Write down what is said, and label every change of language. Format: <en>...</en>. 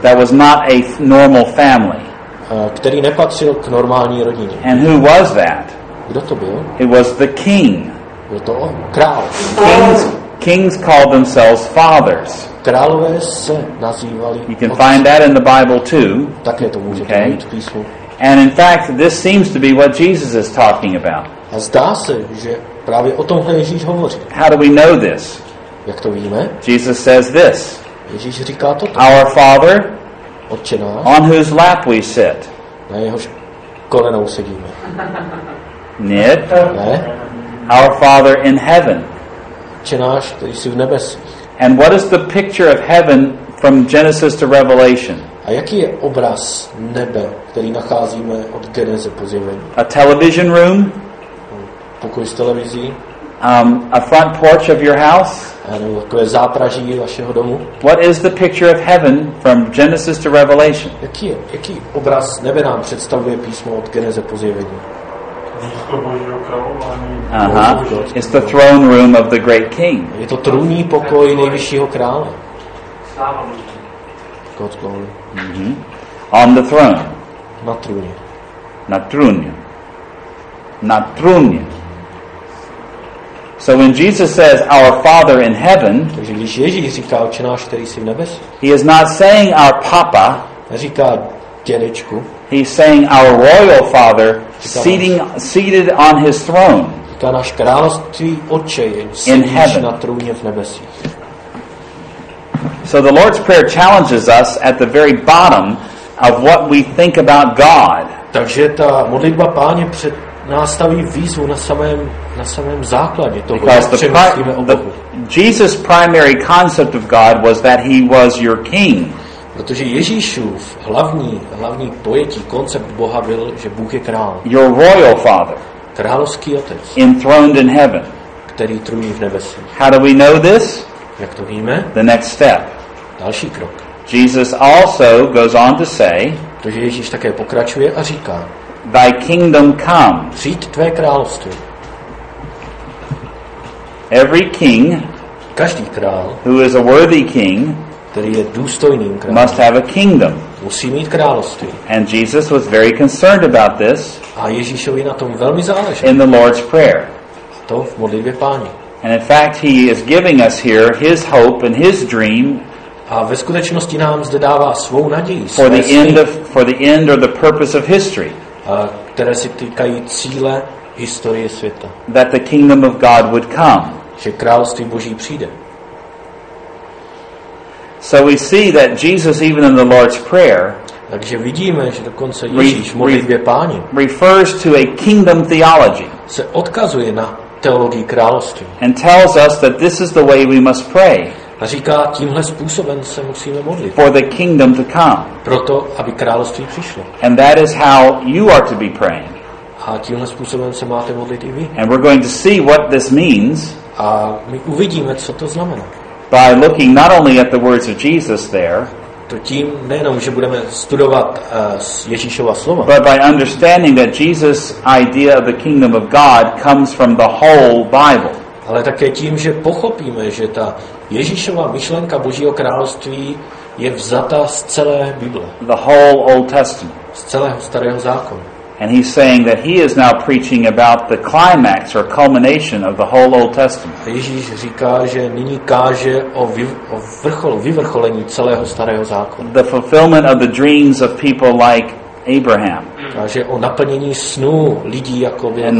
<en>That was not a normal family.</en> <cs>Který nepatřil k normální rodině.</cs> <en>And who was that?</en> <cs>Kdo to byl?</cs> <en>It was the king.</en> <cs>Byl to on, král.</cs> <en>Kings called themselves fathers.</en> <cs>Králové se nazývali.</cs> <en>You can find that in the Bible too.</en> <cs>Také to můžete</cs> <en>okay.</en> <cs>Mít v písmu.</cs> <en>And in fact, this seems to be what Jesus is talking about.</en> <cs>A zdá se, že právě o tomhle Ježíš hovoří.</cs> <en>How do we know this?</en> <cs>Jak to víme?</cs> <en>Jesus says this.</en> <cs>Ježíš říká toto.</cs> <en>Our Father,</en> <cs>Otče náš,</cs> <en>on whose lap we sit.</en> <cs>Na jehož kolenou sedíme. Nit. Ne.</cs> <en>Our Father in heaven.</en> <cs>Náš, který jsi v nebesích.</cs> <en>And what is the picture of heaven from Genesis to Revelation?</en> <cs>A jaký je obraz nebe, který nacházíme od Geneze po zjevení?</cs> <en>A television room?</en> <cs>Pokoj s televizí?</cs> <en>A front porch of your house?</en> <cs>Nebo takové zápraží vašeho domu?</cs> <en>What is the picture of heaven from Genesis to Revelation?</en> <cs>Jaký obraz nebe nám představuje písmo od Geneze po zjevení? Uh-huh.</cs> <en>It's the throne room of the great king.</en> <cs>Je to trůní pokoj nejvyššího krále.</cs> <en>God's glory. Mm-hmm. On the throne.</en> <cs>Na trůně. Na trůně. Na trůně.</cs> <en>So when Jesus says our Father in heaven,</en> <cs>takže když Ježíš říká Otče náš, který jsi v nebesích,</cs> <en>he is not saying our papa,</en> <cs>říká dědečku.</cs> <en>He's saying our royal father seated on his throne.</en> <cs>Říká náš království Otče je</cs> <en>seated</en> <cs>na trůně v nebesích.</cs> <en>So the Lord's Prayer challenges us at the very bottom of what we think about God.</en> <cs>Takže ta modlitba Páně před nás staví výzvu na samém základě toho, jak přemýšlíme o Bohu.</cs> <en>Jesus' primary concept of God was that he was your king.</en> <cs>Protože Ježíšův hlavní pojetí, koncept Boha byl, že Bůh je král.</cs> <en>Your royal father.</en> <cs>Královský otec.</cs> <en>Enthroned in heaven.</en> <cs>Který trůní v nebesích.</cs> <en>How do we know this?</en> <cs>Jak to víme?</cs> <en>The next step.</en> <cs>Další krok.</cs> <en>Jesus also goes on to say.</en> <cs>Protože Ježíš také pokračuje a říká.</cs> <en>Thy kingdom come.</en> <cs>Přijď tvé království.</cs> <en>every king,</en> <cs>každý král,</cs> <en>who is a worthy king,</en> <cs>který je důstojným králem,</cs> <en>must have a kingdom.</en> <cs>Musí mít království.</cs> <en>And Jesus was very concerned about this.</en> <cs>A Ježíšovi na tom velmi záleželo.</cs> <en>In the Lord's Prayer.</en> <cs>A to v modlitbě Páně.</cs> <en>And in fact, he is giving us here his hope and his dream.</en> <cs>A ve skutečnosti nám zde dává svou naději.</cs> <en>For the end of, for the end or the purpose of history.</en> <cs>Které se týkají cíle historie světa.</cs> <en>That the kingdom of God would come.</en> <cs>Že království Boží přijde.</cs> <en>So we see that Jesus, even in the Lord's Prayer,</en> <cs>takže vidíme, že dokonce Ježíš v modlitbě Páně</cs> <en>refers to a kingdom theology.</en> <cs>Se odkazuje na teologii království.</cs> <en>And tells us that this is the way we must pray.</en> <cs>A říká, tímhle způsobem se musíme modlit.</cs> <en>For the kingdom to come.</en> <cs>Proto, aby království přišlo.</cs> <en>And that is how you are to be praying.</en> <cs>A tímhle způsobem se máte modlit i vy.</cs> <en>And we're going to see what this means.</en> <cs>A my uvidíme, co to znamená.</cs> <en>By looking not only at the words of Jesus there,</en> <cs>to tím nejenom, že budeme studovat Ježíšova slova,</cs> <en>but by understanding that Jesus' idea of the kingdom of God comes from the whole Bible.</en> <cs>Ale také tím, že pochopíme, že ta Ježíšova myšlenka Božího království je vzata z celé Bible.</cs> <en>The whole Old Testament.</en> <cs>Z celého starého zákona.</cs> <en>And he's saying that he is now preaching about the climax or culmination of the whole Old Testament.</en> <cs>Ježíš říká, že nyní káže o vrcholu, vyvrcholení celého starého zákona.</cs> <en>The fulfillment of the dreams of people like Abraham.</en> <cs>Káže o naplnění snů lidí jako Abraham,</cs>